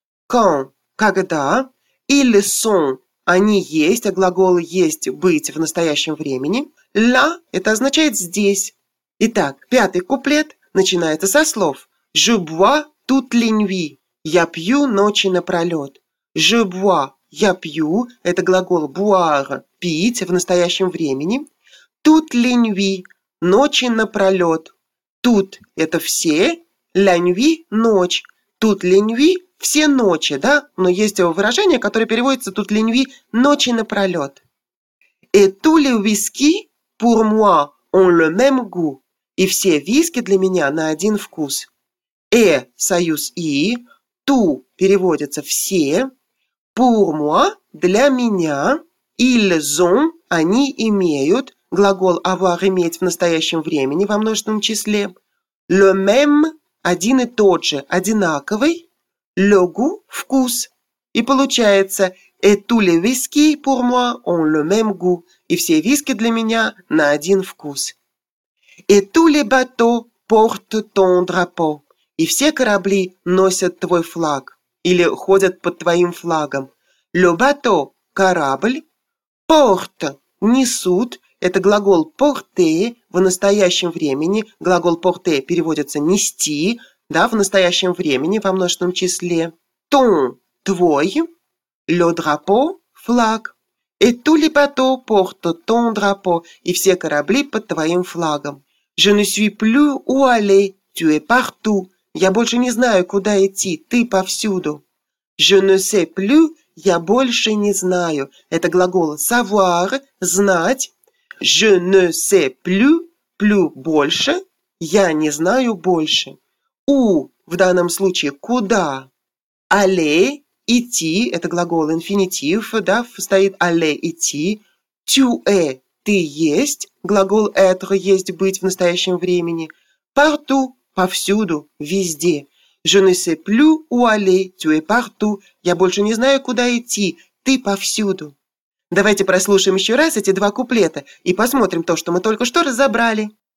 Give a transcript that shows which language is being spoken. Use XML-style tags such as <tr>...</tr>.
<ru>Quand, когда,</ru> <fr>ils sont,</fr> <ru>они есть, а глагол есть, быть в настоящем времени. Là, это означает здесь. Итак, пятый куплет начинается со слов.</ru> <fr>Je bois toute la nuit.</fr> <ru>Я пью ночи напролет.</ru> <fr>Je bois,</fr> <ru>я пью, это глагол boire, пить в настоящем времени.</ru> <fr>Toute la nuit,</fr> <ru>ночи напролет. Тут это все,</ru> <fr>la nuit,</fr> <ru>ночь.</ru> <fr>Toute la nuit,</fr> <ru>все ночи, да? Но есть выражение, которое переводится</ru> <fr>toute la nuit,</fr> <ru>ночи напролет.</ru> <fr>Et tous les whisky pour moi ont le même goût.</fr> <ru>И все виски для меня на один вкус. Э, союз и, ту переводится все,</ru> <fr>pour moi,</fr> <ru>для меня,</ru> <fr>ils ont,</fr> <ru>они имеют, глагол avoir иметь в настоящем времени во множественном числе,</ru> <fr>le même,</fr> <ru>один и тот же, одинаковый,</ru> <fr>le goût,</fr> <ru>вкус. И получается,</ru> <fr>et tous les whisky pour moi ont le même goût,</fr> <ru>и все виски для меня на один вкус.</ru> <fr>Et tous les bateaux portent ton drapeau.</fr> <ru>И все корабли носят твой флаг или ходят под твоим флагом.</ru> <fr>Le bateau – корабль.</fr> <ru>Porte – несут. Это глагол porter в настоящем времени. Глагол porter переводится нести, да, в настоящем времени во множественном числе. Ton – твой.</ru> <fr>Le drapeau – флаг. Et tous les bateaux portent ton drapeau.</fr> <ru>И все корабли под твоим флагом.</ru> <fr>Je ne suis plus où aller, tu es partout.</fr> <ru>Я больше не знаю, куда идти, ты повсюду.</ru> <fr>Je ne sais plus,</fr> <ru>я больше не знаю. Это глагол savoir, знать.</ru> <fr>Je ne sais plus,</fr> <ru>plus больше, я не знаю больше. Où, в данном случае, куда. Aller, идти, это глагол инфинитив, да, стоит aller, идти.</ru> <fr>Tu es,</fr> <ru>ты есть. Глагол être есть быть в настоящем времени. Partout, повсюду, везде.</ru> <fr>Je ne sais plus où aller, tu es partout.</fr> <ru>Я больше не знаю, куда идти, ты повсюду. Давайте прослушаем еще раз эти два куплета и посмотрим то, что мы только что разобрали.</ru>